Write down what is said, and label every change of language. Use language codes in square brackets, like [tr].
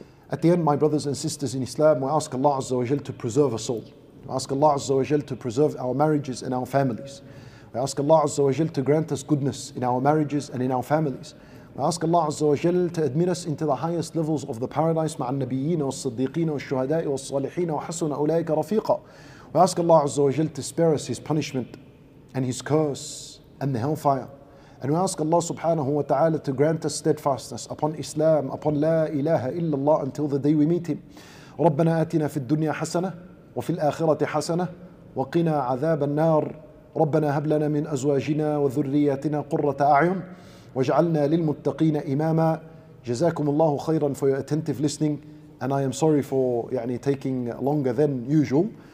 [en] At the end, my brothers and sisters in Islam, we ask Allah Azza wa Jal to preserve us all. We ask Allah Azza wa Jal to preserve our marriages and our families. We ask Allah Azza wa Jal to grant us goodness in our marriages and in our families. I ask Allah Azza wa Jal to admit us into the highest levels of the paradise. [ar] مع النبيين والصديقين والشهداء والصالحين وحسن أولئك رفيقا. [en] We ask Allah Azza wa Jal to spare us His punishment and His curse and the hellfire. And we ask Allah subhanahu wa ta'ala to grant us steadfastness upon Islam, upon La ilaha illallah until the day we meet Him. [ar] ربنا آتنا في الدنيا حسنة وفي الآخرة حسنة وقنا عذاب النار. ربنا هب لنا من أزواجنا وذرياتنا قرة أعين واجعلنا للمتقين إماما. جزاكم الله خيرا [en] for your attentive listening, and I am sorry for taking longer than usual.